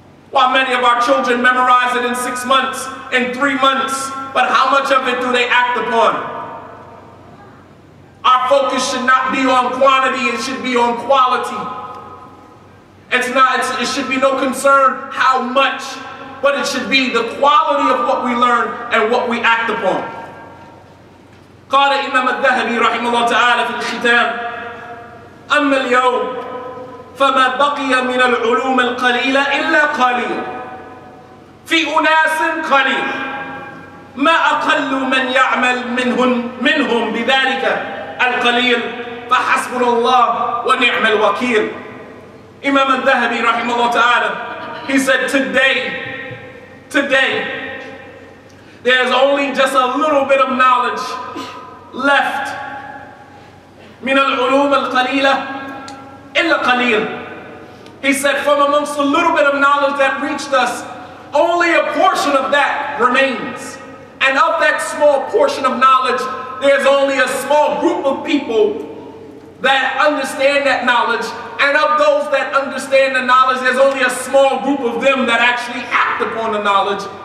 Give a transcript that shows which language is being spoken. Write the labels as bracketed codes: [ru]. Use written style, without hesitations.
[en] While many of our children memorize it in 6 months, in 3 months, but how much of it do they act upon? Our focus should not be on quantity, it should be on quality. It should be no concern how much, but it should be the quality of what we learn and what we act upon. [ar] قال إمام الذهبي رحمه الله تعالى في الختام أما اليوم فما بقي من العلوم القليلة إلا قليل في أناس قليل ما أقل من يعمل منهم بذلك القليل فحسبنا الله ونعم الوكيل. إمام الذهبي رحمه الله تعالى, [en] he said today there's only just a little bit of knowledge left. [ar] من العلوم القليلة إلا قليل. [en] He said, from amongst a little bit of knowledge that reached us, only a portion of that remains. And of that small portion of knowledge, there's only a small group of people that understand that knowledge. And of those that understand the knowledge, there's only a small group of them that actually act upon the knowledge.